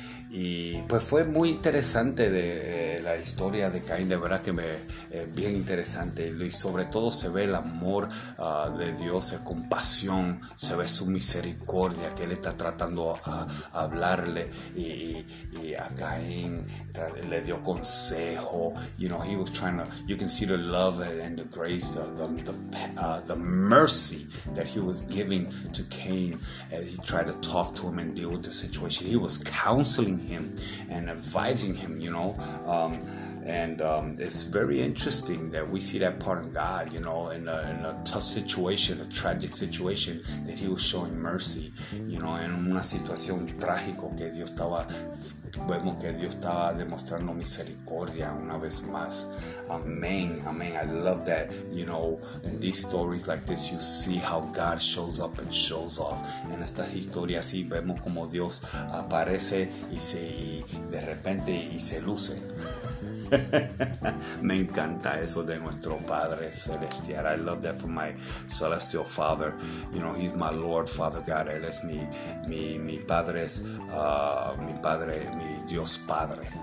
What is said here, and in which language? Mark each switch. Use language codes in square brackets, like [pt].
[es] Y pues fue muy interesante de la historia de Caín, de verdad que me bien interesante, y sobre todo se ve el amor de Dios, la compasión, se ve su misericordia, que él está tratando a hablarle, y a Caín le dio consejo. [en] You know, he was trying to, you can see the love and the grace, the mercy that he was giving to Cain as he tried to talk to him and deal with the situation. He was counseling him and advising him, you know. It's very interesting that we see that part in God, you know, in a tough situation, a tragic situation, that he was showing mercy, you know, [es] en una situación trágico que Dios estaba, vemos que Dios estaba demostrando misericordia una vez más. [en] Amen, amen. I love that, you know, in these stories like this, you see how God shows up and shows off. [es] En esta historia así vemos como Dios aparece y de repente y se luce. Me encanta eso de nuestro Padre Celestial. [en] I love that for my Celestial Father. You know, he's my Lord, Father God. [es] Él es mi Padre, mi Padre, mi Dios Padre.